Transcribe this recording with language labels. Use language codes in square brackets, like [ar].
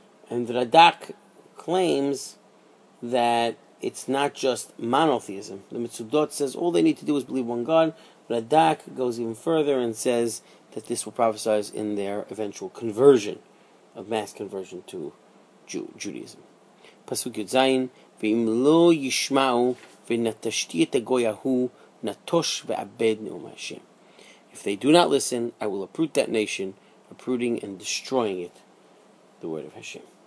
[en] And Radak claims that it's not just monotheism. The Mitzudot says all they need to do is believe one God. Radak goes even further and says that this will prophesize in their eventual conversion, of mass conversion to Judaism. Pasuk Yud Zayin, [he] v'im lo yishma'u ונטשתי את הגוי ההוא, נטוש ואבד נאום השם. [en] If they do not listen, I will uproot that nation, uprooting and destroying it, the word of Hashem.